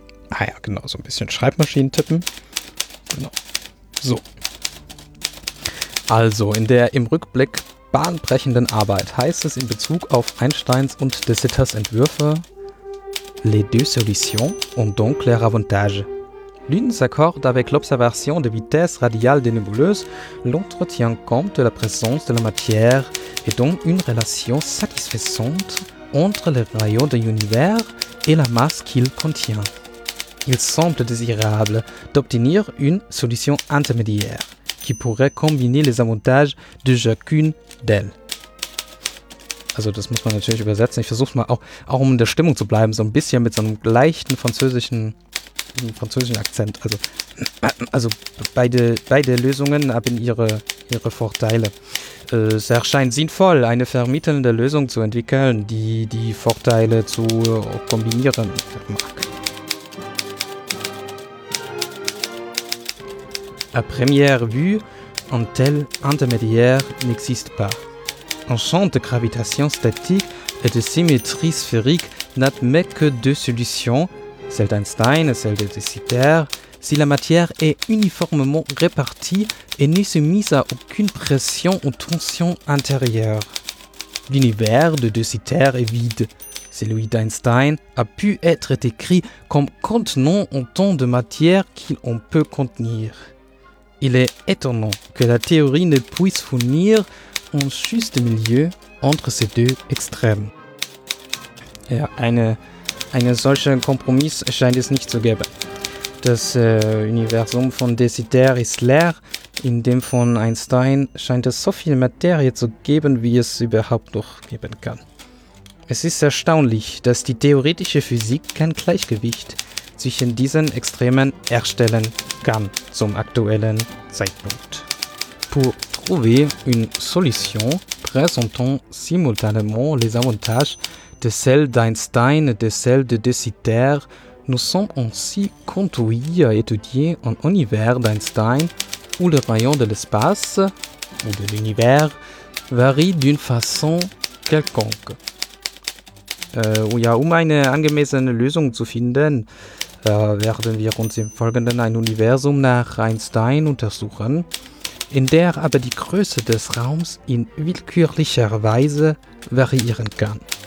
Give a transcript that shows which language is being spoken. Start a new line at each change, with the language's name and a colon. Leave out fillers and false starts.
German: Ah ja, genau, so ein bisschen Schreibmaschinen tippen. Genau. So. Also, in der im Rückblick bahnbrechenden Arbeit heißt es in Bezug auf Einsteins und de Sitters Entwürfe:
French: Les deux solutions ont donc leur avantage. L'une s'accorde avec l'observation des vitesses radiales des nébuleuses, l'autre tient compte de la présence de la matière et donc une relation satisfaisante entre les rayons de l'univers et la masse qu'il contient. Il semble désirable d'obtenir une solution intermédiaire qui pourrait combiner les avantages de chacune d'elles.
German: Also das muss man natürlich übersetzen. Ich versuche es mal auch um in der Stimmung zu bleiben, so ein bisschen mit so einem leichten französischen Akzent. Also beide Lösungen haben ihre Vorteile. Es erscheint sinnvoll, eine vermittelnde Lösung zu entwickeln, die Vorteile zu kombinieren mag.
French: À première vue, un tel intermédiaire n'existe pas. Un champ de gravitation statique et de symétrie sphérique n'admet que deux solutions, celle d'Einstein et celle de Desiderat, si la matière est uniformément répartie et n'est soumise à aucune pression ou tension intérieure. L'univers de Desiderat est vide. Celui d'Einstein a pu être décrit comme contenant autant de matière qu'il en peut contenir. Il est étonnant que la théorie ne puisse fournir un juste milieu entre ces deux extrêmes.
German: Ja, eine solche Kompromiss scheint es nicht zu geben. Das Universum von Desiderat ist leer, in dem von Einstein scheint es so viel Materie zu geben, wie es überhaupt noch geben kann. Es ist erstaunlich, dass die theoretische Physik kein Gleichgewicht zwischen diesen Extremen herstellen kann zum aktuellen Zeitpunkt.
French: Pour trouver une solution présentant simultanément les avantages de celle d'Einstein et de celle de Desiderat, nous sommes ainsi conduits à étudier un univers d'Einstein où le rayon de l'espace ou de l'univers varie d'une façon quelconque.
German: Um ja, eine angemessene Lösung zu finden, werden wir uns im Folgenden ein Universum nach Einstein untersuchen, in der aber die Größe des Raums in willkürlicher Weise variieren kann.